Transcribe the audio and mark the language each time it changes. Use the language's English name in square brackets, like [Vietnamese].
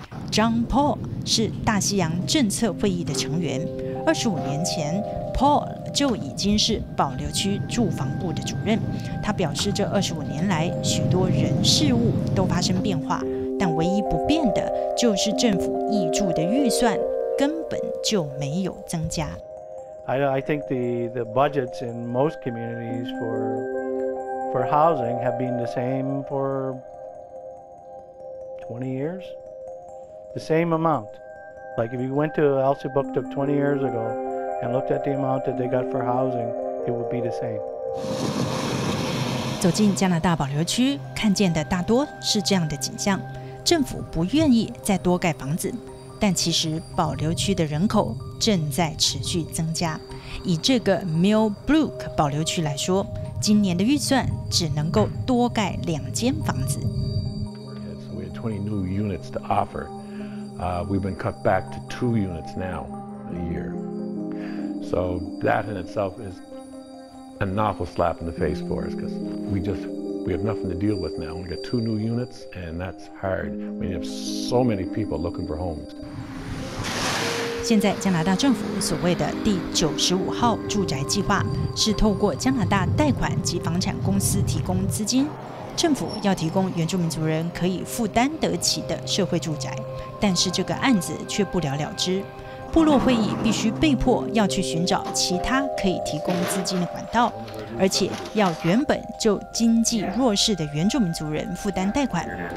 [Chinese] John Paul 是大西洋政策会议的成员，25年前 Paul 就已经是保留区住房部的主任。他表示，这25年来，许多人事物都发生变化，但唯一不变的就是政府挹注的预算根本就没有增加。 [English] I think the budgets in most communities for housing have been the same for 20 years, the same amount. Like if you went to Alsipuktuk 20 years ago and looked at the amount that they got for housing, it would be the same. [Chinese] 走进加拿大保留区，看见的大多是这样的景象：政府不愿意再多盖房子。但其实保留区的人口正在持续增加，以这个 Millbrook 保留区来说，今年的预算只能够多盖2间房子。 [English] So we had 20 new units to offer. We've been cut back to 2 units now a year. So that in itself is an awful slap in the face for us, because we have nothing to deal with now. We got 2 new units, and that's hard. We have so many people looking for homes. [Chinese] 现在加拿大政府所谓的第95号住宅计划是透过加拿大贷款及房产公司提供资金，政府要提供原住民族人可以负担得起的社会住宅，但是这个案子却不了了之，部落会议必须被迫要去寻找其他可以提供资金的管道，而且要原本就经济弱势的原住民族人负担贷款，